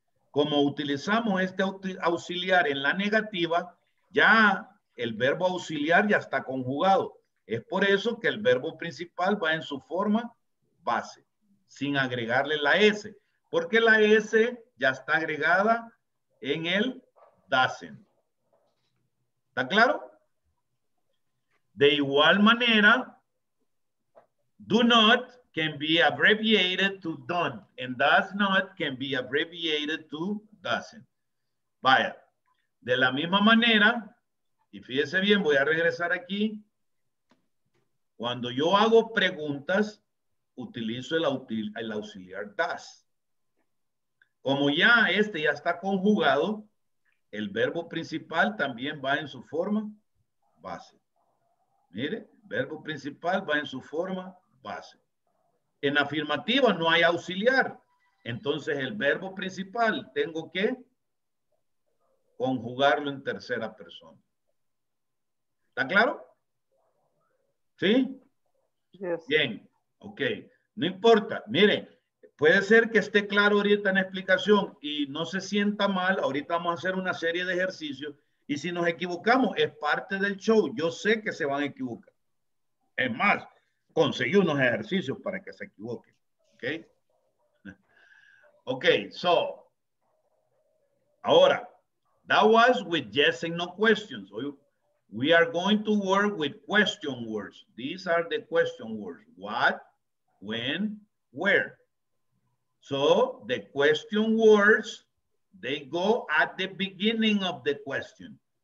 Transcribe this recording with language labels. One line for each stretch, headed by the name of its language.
Spanish: Como utilizamos este auxiliar en la negativa, ya el verbo auxiliar ya está conjugado. Es por eso que el verbo principal va en su forma base, sin agregarle la S, porque la S ya está agregada en el doesn't. ¿Está claro? De igual manera,
English: do not can be abbreviated to don't, and does not can be abbreviated to doesn't.
Spanish: Vaya, de la misma manera, y fíjese bien, voy a regresar aquí. Cuando yo hago preguntas, utilizo el auxiliar does. Como ya este ya está conjugado, el verbo principal también va en su forma base. Mire, verbo principal va en su forma base. En afirmativa no hay auxiliar. Entonces el verbo principal tengo que conjugarlo en tercera persona. ¿Está claro? ¿Sí?
English: Yes.
Spanish: Bien, ok. No importa. Mire, puede ser que esté claro ahorita en la explicación y no se sienta mal. Ahorita vamos a hacer una serie de ejercicios. Y si nos equivocamos, es parte del show. Yo sé que se van a equivocar. Es más, conseguí unos ejercicios para que se equivoquen. ¿Ok? Ok, so. Ahora,
English: that was with yes and no questions. We are going to work with question words. These are the question words. What, when, where. So, the question words, they go at the beginning of the question.